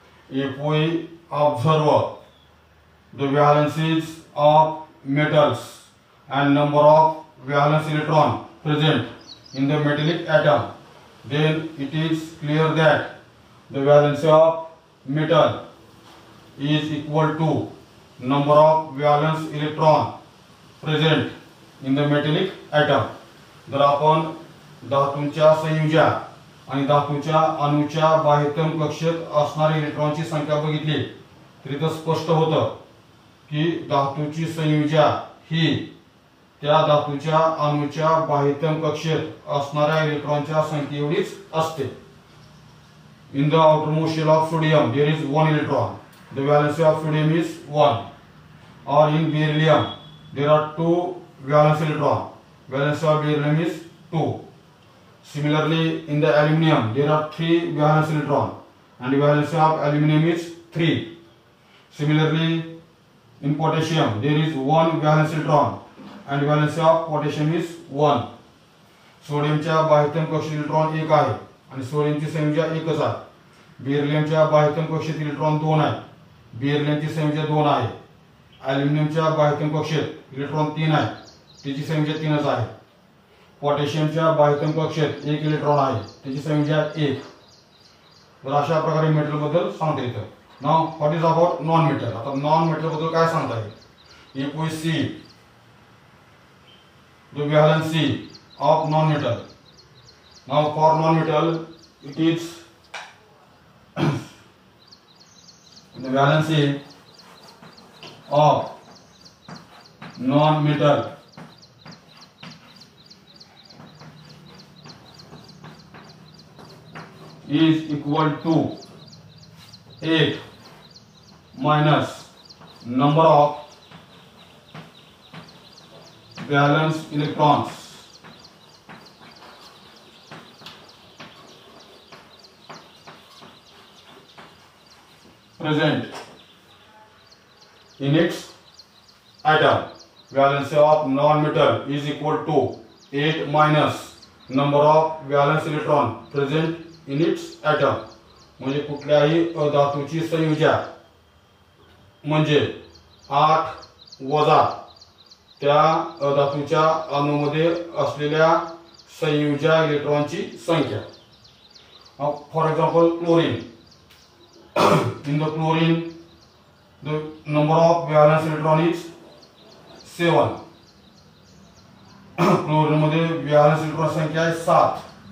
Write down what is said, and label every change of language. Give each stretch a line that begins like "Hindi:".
English: If we observe the valences of metals and number of valence electrons present in the metallic atom, then it is clear that the valence of metal is equal to number of valence electrons present in the metallic atom.
Marathi: जर आपण धातूंच्या संयुज्या आणि धातूच्या अणूच्या बाह्यतम कक्षेत असणारे इलेक्ट्रॉनची संख्या बघितली तरी तर स्पष्ट होतं की धातूची संयुज्या ही त्या धातूच्या अणूच्या बाह्यतम कक्षेत असणाऱ्या इलेक्ट्रॉनच्या संख्येवरच असते.
English: In the outermost shell of sodium, there is one electron. The valence of sodium is 1. Or in beryllium, there are 2 valence electrons. Valence of beryllium is 2. Similarly, in the aluminium, there are 3 valence electrons. And the valence of aluminium is 3. Similarly, in potassium, there is 1 valence electron. And the valence of potassium is 1.
Marathi: Sodium cha bahitam kakshi electron 1 ahe. आणि सोडियमची संयुज्या 1 आहे. बेरिलियमच्या बाह्यतम कक्षेत electron 2 आहे. बेरिलियमची संयुज्या 2 आहे. ॲल्युमिनियमच्या बाह्यतम कक्षेत electron 3 आहे. त्याची संयुज्या 3च आहे. पोटॅशियमच्या बाह्यतम कक्षेत 1 इलेक्ट्रॉन आहे. त्याची संयुज्या 1. तर अशा प्रकारे मेटल बद्दल सांगता येतं.
English: Now what is about non metal.
Marathi: आता नॉन मेटल बद्दल काय सांगता येईल.
English: If we see the valency of non metal. Now for non-metal, it is the valency of non-metal is equal to 8 minus number of valence electrons. Present in its atom. Valence of non-metal is equal to 8 minus number of valence electron present in its atom.
Marathi: म्हणजे कुठल्याही धातूची संयुज्या म्हणजे 8 वजा त्या धातूच्या अणूमध्ये असलेल्या संयुज्या इलेक्ट्रॉनची संख्या.
English: For example chlorine. In the chlorine, the number of valence electron is 7.
Marathi: Chlorine मध्ये valence electron संख्या आहे 7.